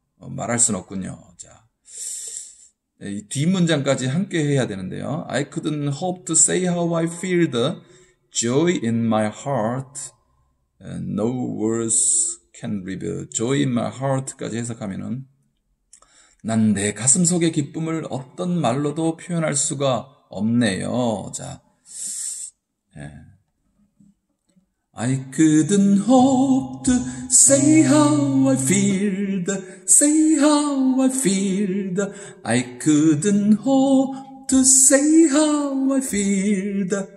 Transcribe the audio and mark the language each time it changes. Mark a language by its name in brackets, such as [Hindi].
[Korean] 말할 순 없군요. 자, 이 뒷문장까지 함께 해야 되는데요. [English] I couldn't hope to say how I feel the joy in my heart, and no words can reveal. joy in my heart [Korean] 까지 해석하면은 난내 가슴 속의 기쁨을 어떤 말로도 표현할 수가 없네요. 자, 예. [English] I couldn't hope to say how I feel, say how I feel. I couldn't hope to say how I feel.